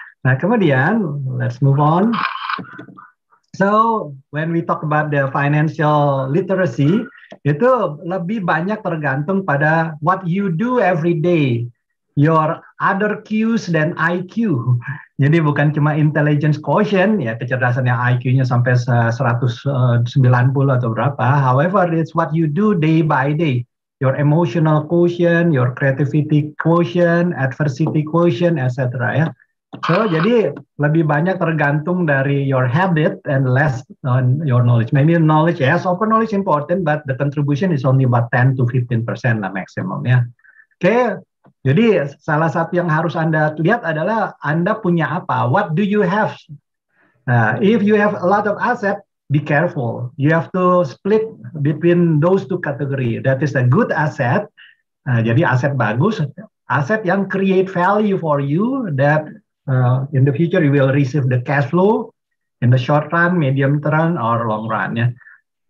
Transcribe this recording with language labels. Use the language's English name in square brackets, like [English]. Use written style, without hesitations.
[Indonesian] Nah, kemudian [English] let's move on. So, when we talk about the financial literacy, [Indonesian] itu lebih banyak tergantung pada [English] what you do every day, your other Qs than IQ. [Indonesian] Jadi bukan cuma intelligence quotient, ya kecerdasan yang IQ-nya sampai 190 atau berapa. [English] However, it's what you do day by day, your emotional quotient, your creativity quotient, adversity quotient, etc. [Indonesian] Ya. [English] So, [Indonesian] jadi lebih banyak tergantung dari [English] your habit and less on your knowledge. Maybe knowledge, yes, open knowledge important, but the contribution is only about 10 to 15% lah maximum ya. Oke, okay. [Indonesian] Jadi salah satu yang harus Anda lihat adalah Anda punya apa? [English] What do you have? If you have a lot of asset, be careful. You have to split between those two category. That is a good asset. [Indonesian] Jadi aset bagus, aset yang [English] create value for you that in the future, you will receive the cash flow in the short run, medium run, or long run. Yeah.